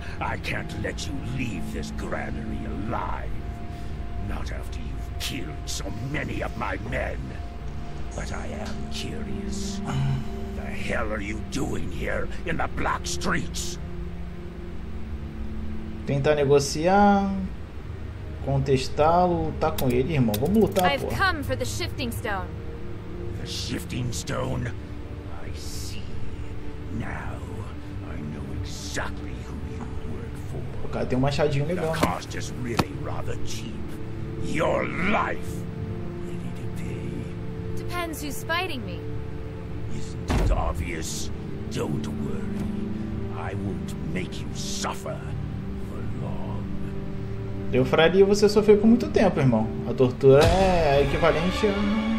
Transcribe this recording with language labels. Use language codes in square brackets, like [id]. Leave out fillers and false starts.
[en] I can't let you leave this granary alive. Not after you've killed so many of my men. But I am curious. What the hell are you doing here in the black streets? [pt] Tentar negociar, contestá-lo, lutar com ele, irmão. Vamos lutar, pô. [en] I've come for the shifting stone. The shifting stone? I see. Now I know exactly who you work for. [pt] O cara tem um machadinho legal. [en] The cost is really rather cheap. Your life. Ready to pay. Depends who's fighting me. Isn't it obvious? Don't worry. I won't make you suffer for long. [pt] Eu faria você sofrer por muito tempo, irmão. A tortura é equivalente a...